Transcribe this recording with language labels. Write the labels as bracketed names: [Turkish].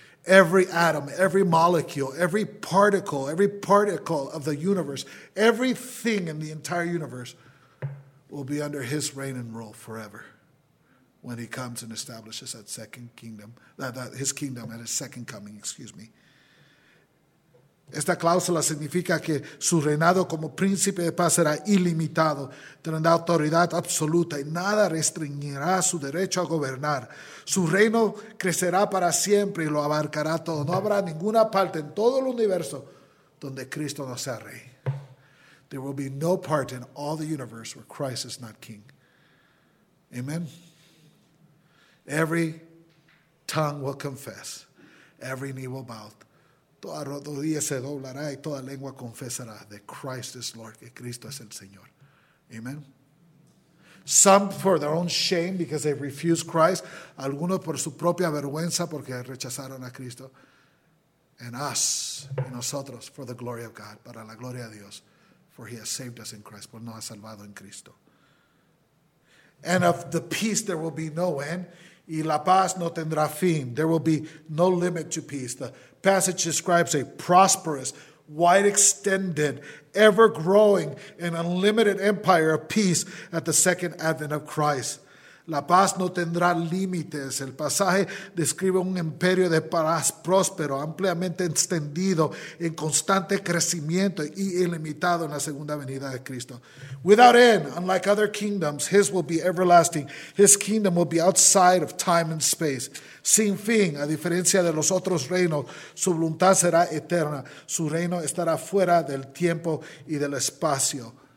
[English] Every atom, every molecule, every particle of the universe, everything in the entire universe will be under his reign and rule forever when he comes and establishes that second kingdom, his kingdom at his second coming, excuse me. [Spanish] Esta cláusula significa que su reinado como príncipe de paz será ilimitado, tendrá autoridad absoluta y nada restringirá su derecho a gobernar. Su reino crecerá para siempre y lo abarcará todo. No habrá ninguna parte en todo el universo donde Cristo no sea rey. [English] There will be no part in all the universe where Christ is not king. Amen. Every tongue will confess, every knee will bow. [Spanish] Toda rodilla se doblará y toda lengua confesará [English] that Christ is Lord, [Spanish] que Cristo es el Señor. Amen. [English] Some for their own shame because they refused Christ. [Spanish] Algunos por su propia vergüenza porque rechazaron a Cristo. [English] And us, [Spanish] y nosotros, [English] for the glory of God, [Spanish] para la gloria de Dios. [English] For he has saved us in Christ, [Spanish] por nos ha salvado en Cristo. [English] And of the peace there will be no end. [Spanish] Y la paz no tendrá fin. [English] There will be no limit to peace. The passage describes a prosperous, wide-extended, ever-growing, and unlimited empire of peace at the second advent of Christ. [Spanish] La paz no tendrá límites. El pasaje describe un imperio de paz próspero, ampliamente extendido, en constante crecimiento y ilimitado en la segunda venida de Cristo. [English] Without end, unlike other kingdoms, his will be everlasting. His kingdom will be outside of time and space. [Spanish] Sin fin, a diferencia de los otros reinos, su voluntad será eterna. Su reino estará fuera del tiempo y del espacio.